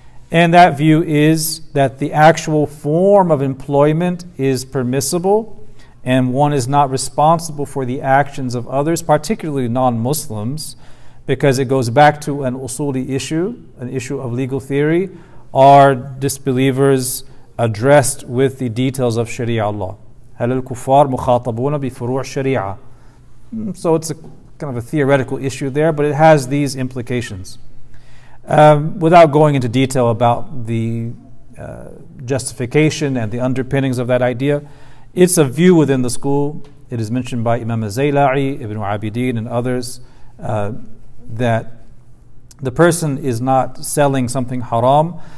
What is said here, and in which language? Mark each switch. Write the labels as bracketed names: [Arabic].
[English] And that view is that the actual form of employment is permissible and one is not responsible for the actions of others, particularly non-Muslims, because it goes back to an usuli issue, an issue of legal theory. Are disbelievers addressed with the details of Sharia law? [Arabic] هل الكفار مخاطبون بفروع الشريعة? [English] So it's a kind of a theoretical issue there, but it has these implications. Without going into detail about the justification and the underpinnings of that idea, it's a view within the school. It is mentioned by Imam Zayla'i, Ibn Abidin, and others that the person is not selling something haram.